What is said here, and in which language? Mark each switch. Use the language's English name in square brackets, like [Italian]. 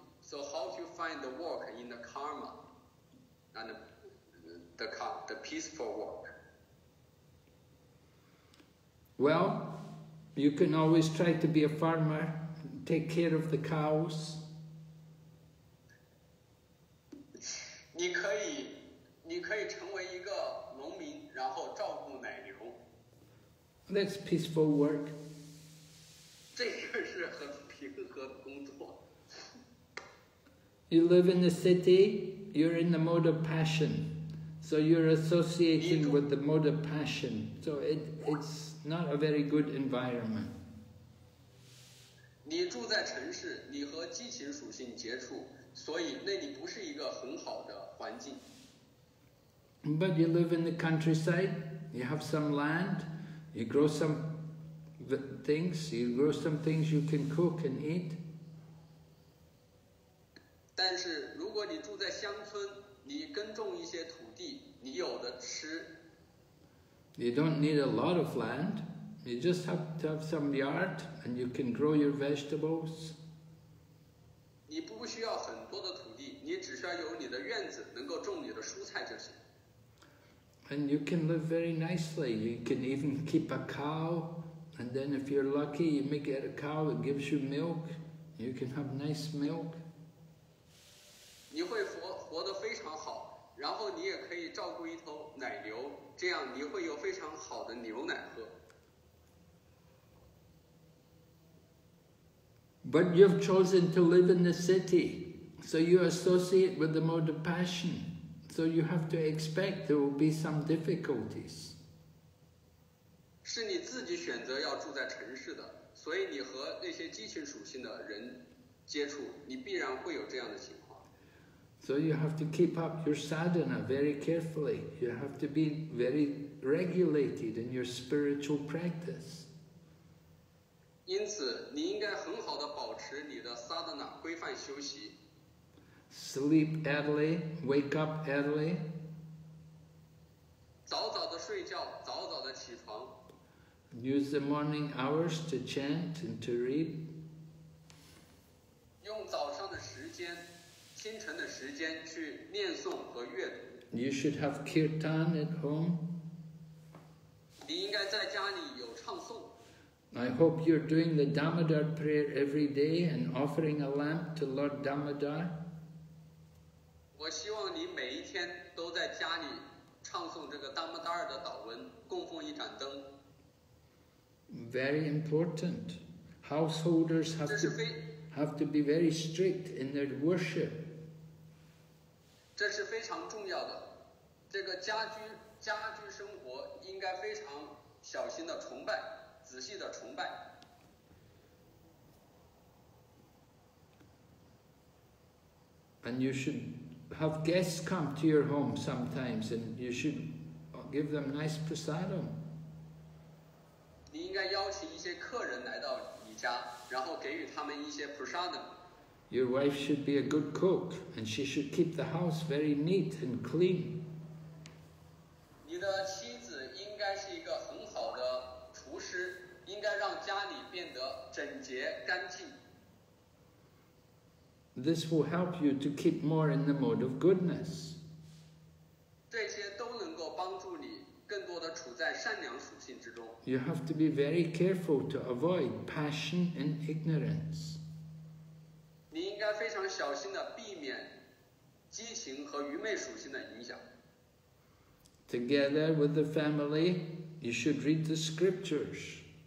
[English] So how do you find the work in the karma and the peaceful work? Well, you can always try to be a farmer, take care of the cows. [Chinese] 你可以成为一个农民，然后照顾奶牛。 [English] That's peaceful work. [Chinese] 这个是很平和的工作。 [English] You live in the city, you're in the mode of passion. So you're associating with the mode of passion. So it's not a very good environment. [Chinese] 你住在城市，你和激情属性接触，所以那里不是一个很好的环境。 [English] But you live in the countryside, you have some land, you grow some things, you can cook and eat. [Chinese] 但是如果你住在乡村，你耕种一些土地，你有的吃。 [English] You don't need a lot of land. You just have to have some yard and you can grow your vegetables. [Chinese] 你不需要很多的土地，你只需要有你的院子，能够种你的蔬菜就行。 [English] And you can live very nicely. You can even keep a cow, and then if you're lucky, you may get a cow that gives you milk. You can have nice milk. [Chinese] 你会活得非常好，然后你也可以照顾一头奶牛，这样你会有非常好的牛奶喝。 [English] But you've chosen to live in the city, so you associate with the mode of passion. So you have to expect there will be some difficulties. [Chinese] 是你自己选择要住在城市的，所以你和那些激情属性的人接触，你必然会有这样的情况。 [English] So you have to keep up your sadhana very carefully. You have to be very regulated in your spiritual practice. [Chinese] 因此，你应该很好地保持你的 sadhana 规范修习。 [English] Sleep early, wake up early. [Chinese] 早早的睡觉，早早的起床。 [English] Use the morning hours to chant and to read. [Chinese] 用早上的时间，清晨的时间去念诵和阅读。 [English] You should have kirtan at home. [Chinese] 你应该在家里有唱诵。 [English] I hope you're doing the Damodar prayer every day and offering a lamp to Lord Damodar. I [Chinese] 希望你每一天都在家里唱诵这个达摩达尔的祷文，供奉一盏灯。 [English] Very important. Householders have to be very strict in their worship. [Chinese] 这是非常重要的。这个家居生活应该非常小心的崇拜，仔细的崇拜。 [English] And you should have guests come to your home sometimes, and you should give them nice prasadam. [Chinese] 你应该邀请一些客人来到你家，然后给予他们一些 prasadam. [English] Your wife should be a good cook, and she should keep the house very neat and clean. [Chinese] 你的妻子应该是一个很好的厨师，应该让家里变得整洁干净。 [English] This will help you to keep more in the mode of goodness. [Chinese] 这些都能够帮助你更多地处在善良属性之中。 [English] You have to be very careful to avoid passion and ignorance. [Chinese] 你应该非常小心地避免激情和愚昧属性的影响。 [English] Together with the family, you should read the scriptures.